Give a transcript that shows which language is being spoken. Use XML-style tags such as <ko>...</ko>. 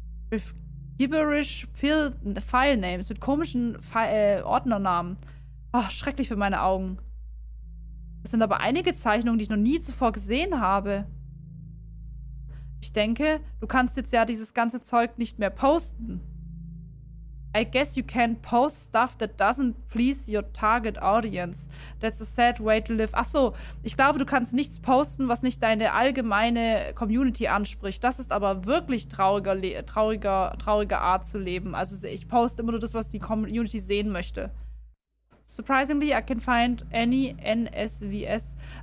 <en>With gibberish file names,</en> <de>mit komischen Ordnernamen. Ach, schrecklich für meine Augen. Es sind aber einige Zeichnungen, die ich noch nie zuvor gesehen habe. Ich denke, du kannst jetzt ja dieses ganze Zeug nicht mehr posten.</de> <en>I guess you can't post stuff that doesn't please your target audience. That's a sad way to live.</en> <de>Ach so, ich glaube, du kannst nichts posten, was nicht deine allgemeine Community anspricht. Das ist aber wirklich traurige Art zu leben. Also ich poste immer nur das, was die Community sehen möchte.</de> <en>Surprisingly, I can find any NSVS.</en>